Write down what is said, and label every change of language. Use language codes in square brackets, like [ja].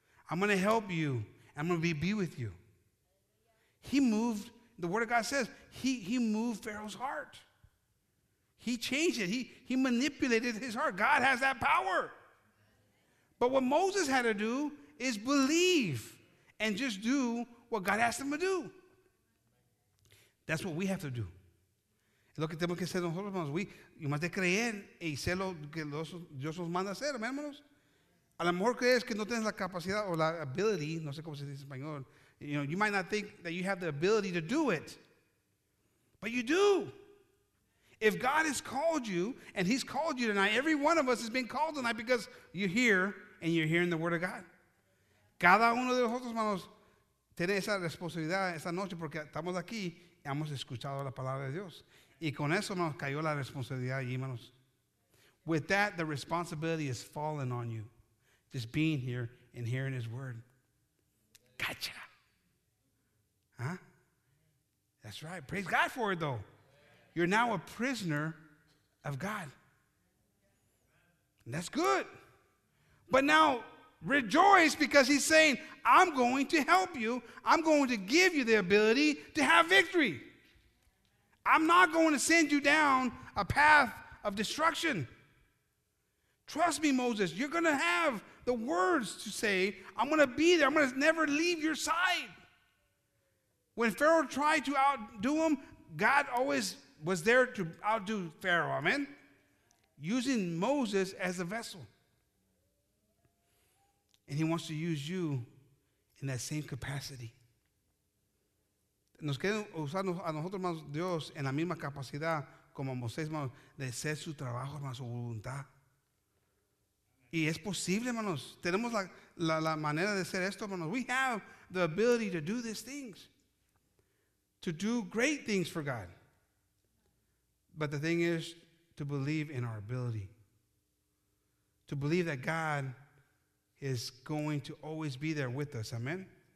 [en] I'm going to help you. I'm going to be with you. He moved, the word of God says, he moved Pharaoh's heart. He changed it. He manipulated his heart. God has that power. But what Moses had to do is believe and just do what God asked him to do. That's what we have to do. [es] Lo que tenemos que hacer nosotros, hermanos, we más de creer y hacer lo que Dios nos manda hacer, hermanos. A lo mejor crees que no tienes la capacidad o la ability, no sé cómo se dice en español. [en] You know, you might not think that you have the ability to do it, but you do. If God has called you, and he's called you tonight, every one of us has been called tonight because you're here, and you're hearing the word of God. [es] Cada uno de nosotros, hermanos, tiene esa responsabilidad esta noche porque estamos aquí y hemos escuchado la palabra de Dios. Y con eso, hermanos, cayó la responsabilidad allí, hermanos. [en] With that, the responsibility is falling on you, just being here and hearing his word. Gotcha. Huh? That's right. Praise God for it, though. You're now a prisoner of God. And that's good. But now rejoice because he's saying, I'm going to help you. I'm going to give you the ability to have victory. I'm not going to send you down a path of destruction. Trust me, Moses, you're going to have the words to say, I'm going to be there. I'm going to never leave your side. When Pharaoh tried to outdo him, God always was there to outdo Pharaoh, amen? Using Moses as a vessel. And he wants to use you in that same capacity. [es] Nos quiere usar a nosotros, hermanos, Dios, en la misma capacidad como Moisés, hermanos, de hacer su trabajo, hermanos, su voluntad. Y es posible, hermanos. Tenemos la manera de hacer esto, hermanos. [en] We have the ability to do these things, to do great things for God. But the thing is to believe in our ability, to believe that God is going to always be there with us. Amen.